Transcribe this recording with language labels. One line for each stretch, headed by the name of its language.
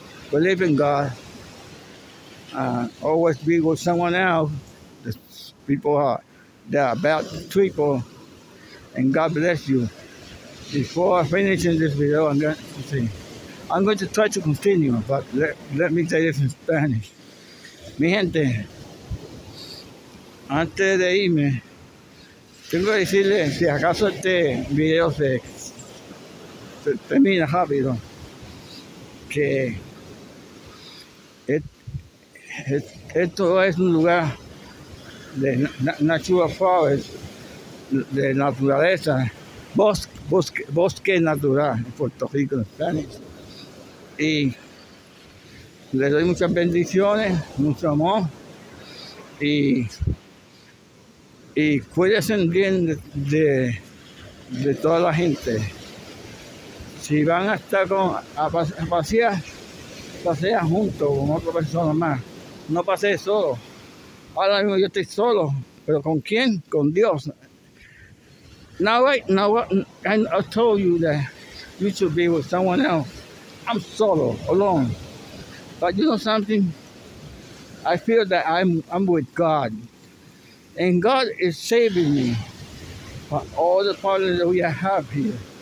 English: Believe in God. Always be with someone else. The people are there about two people. And God bless you. Before finishing this video, I'm going to try to continue, but let me say this in Spanish.
Spanish: Mi gente, antes de irme, tengo que decirle si acaso este video se termina rápido. Que esto es un lugar de Natural Forest, de naturaleza, bosque natural en Puerto Rico, en Spanish. Y les doy muchas bendiciones, mucho amor, y cuídense bien de toda la gente. Si van a estar a pasear juntos con otra persona más, no pasee solo. Ahora mismo yo estoy solo, pero ¿con quién? Con Dios.
English: Now I told you that you should be with someone else. I'm solo, alone. But you know something? I feel that I'm with God. And God is saving me from all the problems that we have here.